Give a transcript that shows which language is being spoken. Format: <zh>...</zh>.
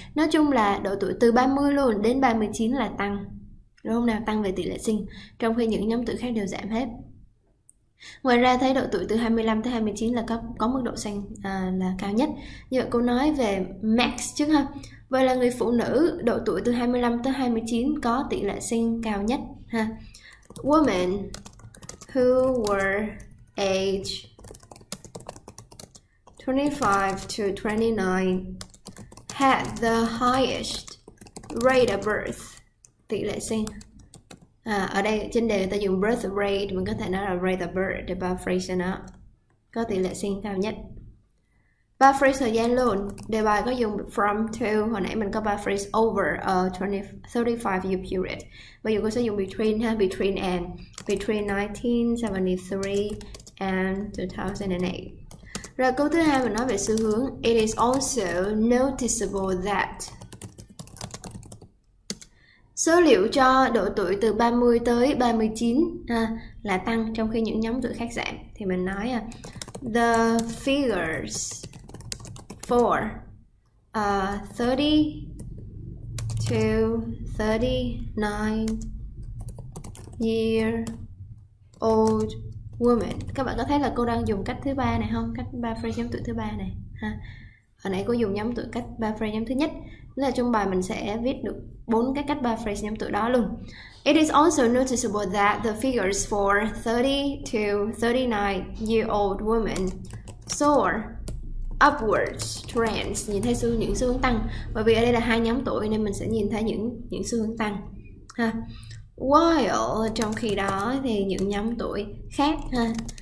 <vi>Nói chung là độ tuổi từ 30 luôn đến 39 là tăng, đúng không nào, tăng về tỷ lệ sinh, trong khi những nhóm tuổi khác đều giảm hết. Ngoài ra thấy độ tuổi từ 25 tới 29 là có mức độ xanh là cao nhất. Như vậy cô nói về max chứ ha. Vậy là người phụ nữ độ tuổi từ 25 tới 29 có tỷ lệ sinh cao nhất ha.</vi> <en>Women who were age 25 to 29 had the highest rate of birth,</en> <vi>tỷ lệ sinh. Ở đây trên đề người ta dùng birth rate, mình có thể nói là</vi> <en>rate of birth</en> <vi>để paraphrase nó, có tỷ lệ sinh cao nhất. Paraphrase thời gian luôn, đề bài có dùng from to, hồi nãy mình có paraphrase</vi> <en>over a 35 year period.</en> <vi>Bây giờ cô sẽ dùng between ha,</vi> <en>between 1973 and 2008.</en> <vi>Rồi câu thứ hai mình nói về xu hướng.</vi> <en>It is also noticeable that</en> <vi>số liệu cho độ tuổi từ 30 tới 39 là tăng, trong khi những nhóm tuổi khác giảm. Thì mình nói</vi> <en>the figures for 30 to 39 year old women.</en> <vi>Các bạn có thấy là cô đang dùng cách thứ ba này không? Cách ba phrase nhóm tuổi thứ ba này ha. Hồi nãy cô dùng nhóm tuổi cách ba phrase nhóm thứ nhất. Nên là trong bài mình sẽ viết được bốn cái cách ba phrase nhóm tuổi đó luôn.</vi> <en>It is also noticeable that the figures for 30 to 39 year old women soar upwards trends,</en> <vi>nhìn thấy những xu hướng tăng. Bởi vì ở đây là hai nhóm tuổi nên mình sẽ nhìn thấy những xu hướng tăng ha. While trong khi đó thì những nhóm tuổi khác ha.</vi>